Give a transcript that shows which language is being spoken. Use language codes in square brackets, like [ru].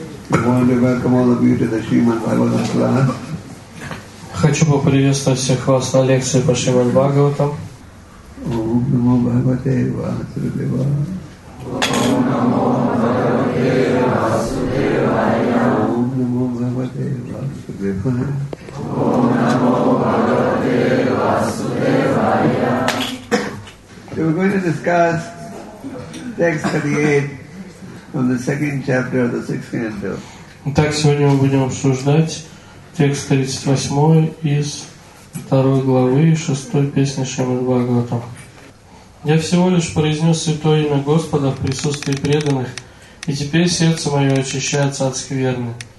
[en] We want to welcome all of you to the Srimad Bhagavatam class. [ru] Хочу поприветствовать всех вас на лекции по Шримад Бхагаватам. [sa] Ом намо Бхагавате Васудевая. [en] We're going to discuss text 38 from the second chapter of the 6th canto. [ru] Итак, сегодня мы будем обсуждать текст 38 из 2 главы 6 песни Шримад Бхагаватам. «Я всего лишь произнес святое имя Господа в присутствии преданных, и теперь сердце мое очищается от скверны.